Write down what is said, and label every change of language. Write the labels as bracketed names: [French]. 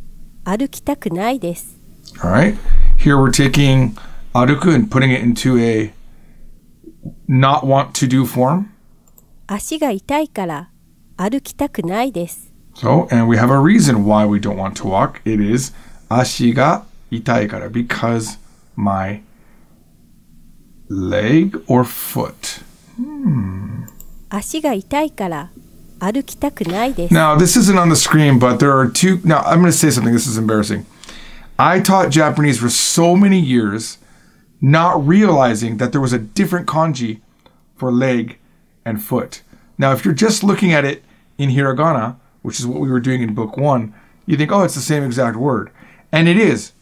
[Japanese] 足が痛いから歩きたくないです. [English] All right. Here we're taking 歩く and putting it into a not want to do form. [Japanese] 足が痛いから歩きたくないです. [English] So, and we have a reason why we don't want to walk. It is [Japanese] 足が痛いから, [English] because my leg or foot. [Japanese] 足が痛いから歩きたくないです. [English] Now, this isn't on the screen, but there are two. Now, I'm going to say something. This is embarrassing. I taught Japanese for so many years, not realizing that there was a different kanji for leg and foot. Now, if you're just looking at it in hiragana, which is what we were doing in book 1, you think, oh, it's the same exact word. And it is.